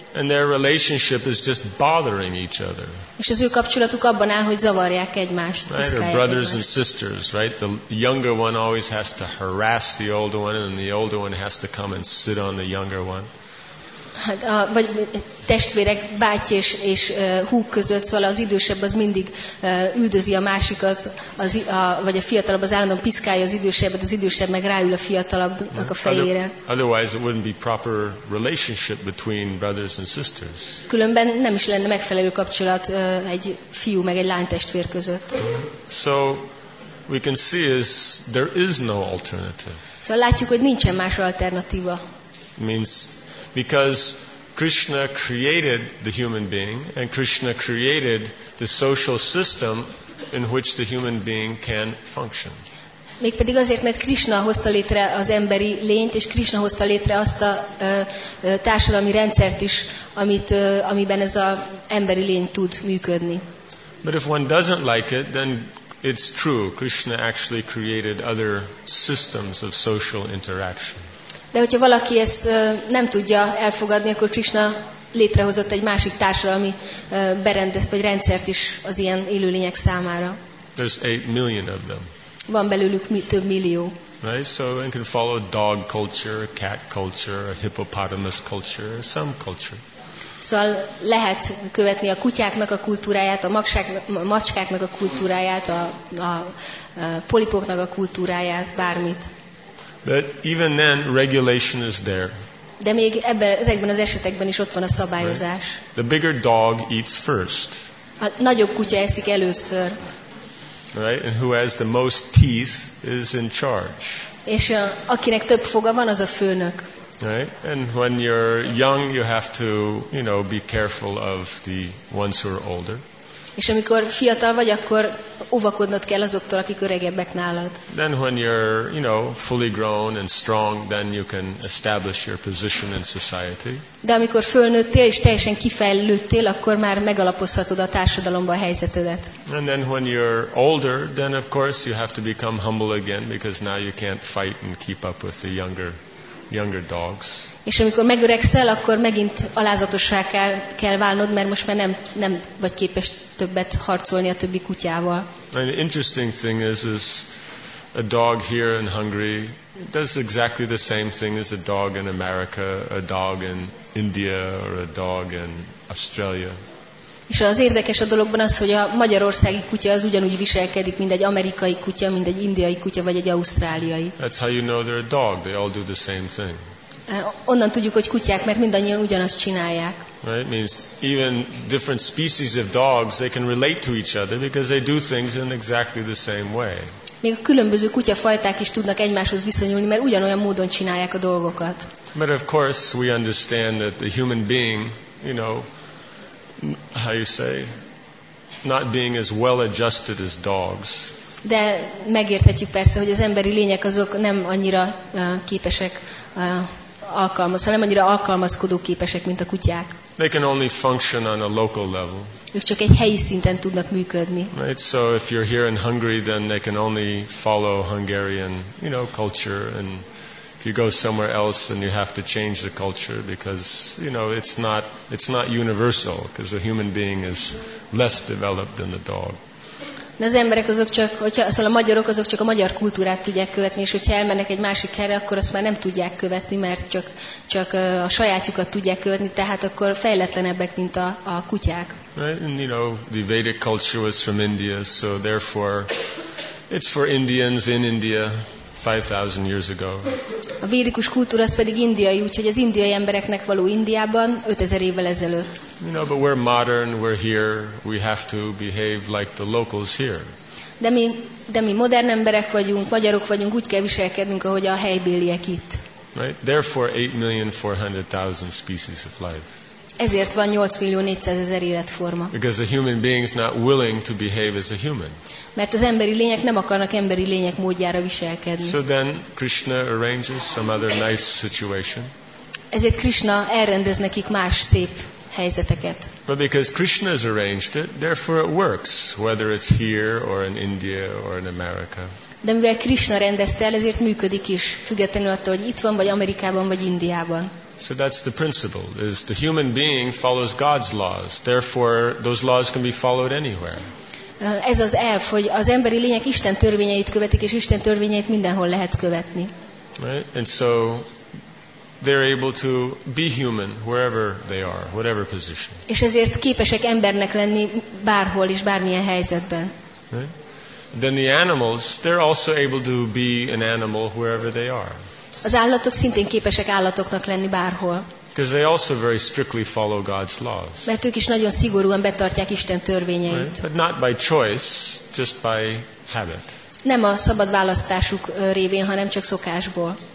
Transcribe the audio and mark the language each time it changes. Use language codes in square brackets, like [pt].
[en] And their relationship is just bothering each other. [hu] És az ő kapcsolatuk abban áll, hogy zavarják egymást. [en] Right, their brothers and sisters, right? The younger one always has to harass the older one, and the older one has to come and sit on the younger one. [hu] Hát, vagy testvérek, bátyja és húg között, szóval az idősebb az mindig üldözi a másikat, vagy a fiatalabb az állandóan piszkálja az idősebbet, az idősebb meg ráül a fiatalabbnak a fejére. [en] Otherwise it wouldn't be proper relationship between brothers and sisters. [hu] Különben nem is lenne megfelelő kapcsolat egy fiú meg egy lány testvér között. [en] So we can see is there is no alternative. [hu] Szóval látjuk, hogy nincsen más alternatíva. [en] Means because Krishna created the human being and Krishna created the social system in which the human being can function. [hu] Mégpedig azért, mert Krishna hozta létre az emberi lényt, és Krishna hozta létre azt a társadalmi rendszert is, amiben ez az emberi lény tud működni. [en] But if one doesn't like it, then it's true. Krishna actually created other systems of social interaction. [hu] De hogyha valaki ezt nem tudja elfogadni, akkor Krishna létrehozott egy másik társadalmi berendezést vagy rendszert is az ilyen élőlények számára. [en] There's 8 million of them. [hu] Van belőlük több millió. [en] Right, so one can follow dog culture, cat culture, hippopotamus culture, some culture. [hu] Szóval lehet követni a kutyáknak a kultúráját, a macskáknak a kultúráját, a polipoknak a kultúráját, bármit. [en] But even then, regulation is there. [hu] De még ezekben az esetekben is ott van a szabályozás. [en] Right. The bigger dog eats first. [hu] A nagyobb kutya eszik először. [en] Right? And who has the most teeth is in charge. [hu] És akinek több foga van, az a főnök. [en] Right? And when you're young, you have to, you know, be careful of the ones who are older. [hu] És amikor fiatal vagy, akkor óvakodnod kell azoktól, akik öregebbek nálad. [en] Then when you're, you know, fully grown and strong, then you can establish your position in society. [hu] De amikor fölnőttél és teljesen kifejlődtél, akkor már megalapozhatod a társadalomban a helyzetedet. [en] And then when you're older, then of course you have to become humble again, because now you can't fight and keep up with the younger dogs. [hu] És amikor megöregszel, akkor megint alázatossá kell válnod, mert most már nem vagy képes többet harcolni a többi kutyával. [en] And the interesting thing is a dog here in Hungary does exactly the same thing as a dog in America, a dog in India, or a dog in Australia. [hu] És az érdekes a dologban az, hogy a magyarországi kutya az ugyanúgy viselkedik, mint egy amerikai kutya, mint egy indiai kutya, vagy egy ausztráliai. [en] That's how you know they're a dog. They all do the same thing. [hu] Onnan tudjuk, hogy kutyák, mert mindannyian ugyanazt csinálják. [en] Right? Means even different species of dogs, they can relate to each other because they do things in exactly the same way. [hu] Még a különböző kutyafajták is tudnak egymáshoz viszonyulni, mert ugyanolyan módon csinálják a dolgokat. [en] But of course we understand that the human being, you know, how you say, not being as well adjusted as dogs. [hu] De megérthetjük persze, hogy az emberi lények azok nem annyira képesek alkalmazkodni, nem annyira alkalmazkodó képesek, mint a kutyák. [en] They can only function on a local level. [hu] Ők csak egy helyi szinten tudnak működni. [en] Right, so if you're here in Hungary, then they can only follow Hungarian, you know, culture. And if you go somewhere else, then you have to change the culture because, you know, it's not universal because the human being is less developed than the dog. [hu] De az emberek azok csak, szóval a magyarok azok csak a magyar kultúrát tudják követni, és hogyha elmennek egy másik helyre, akkor azt már nem tudják követni, mert csak a sajátjukat tudják követni, tehát akkor fejletlenebbek, mint a kutyák. [en] Right? And, you know, the Vedic culture was from India, so therefore it's for Indians in India 5,000 years ago. [hu] A védikus kultúra az pedig indiai, úgyhogy az indiai embereknek való Indiában 5000 évvel ezelőtt. [en] You know, but we're modern, we're here, we have to behave like the locals here. [hu] De mi modern emberek vagyunk, magyarok vagyunk, úgy kell viselkednünk, ahogy a helybéliek itt. [en] Right? Therefore 8,400,000 species of life. [hu] Ezért van 8,400,000 életforma. [en] Because a human being is not willing to behave as a human. [hu] Mert az emberi lények nem akarnak emberi lények módjára viselkedni. [en] So then Krishna arranges some other nice situation. [hu] Ezért Krishna elrendez nekik más szép helyzeteket. [en] But because Krishna has arranged it, therefore it works, whether it's here or in India or in America. [hu] De mivel Krishna rendezte el, ezért működik is, függetlenül attól, hogy itt van, vagy Amerikában, vagy Indiában. [en] So that's the principle, is the human being follows God's laws. Therefore, those laws can be followed anywhere. [hu] Ez az elf, hogy az emberi lények Isten törvényeit követik, és Isten törvényeit mindenhol lehet követni. [en] Right? And so they're able to be human wherever they are, whatever position. [hu] És ezért képesek embernek lenni bárhol és bármilyen helyzetben. [en] Right? Then the animals, they're also able to be an animal wherever they are. [hu] Az állatok szintén képesek állatoknak lenni bárhol. [en] Because they also very strictly follow God's laws. [hu] Mert ők is nagyon szigorúan betartják Isten törvényeit. [en] Right? But not by choice, just by habit. [hu] Nem a szabad választásuk révén, hanem csak szokásból.